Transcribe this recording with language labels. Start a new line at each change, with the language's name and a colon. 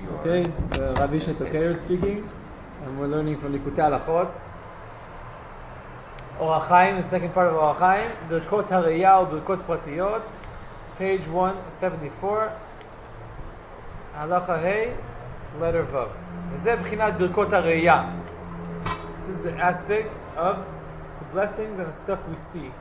Hebrew: אוקיי, זה רבי שטוקייר ספיקינג.
English: I'm learning from ליקוטי הלכות. אור החיים, the second part of אור החיים.
Hebrew: ברכות הראייה או ברכות פרטיות. Page 174. הלכה ה', letter ו'. וזה בחינת ברכות הראייה.
English: This is the aspect of the blessings and the stuff we see.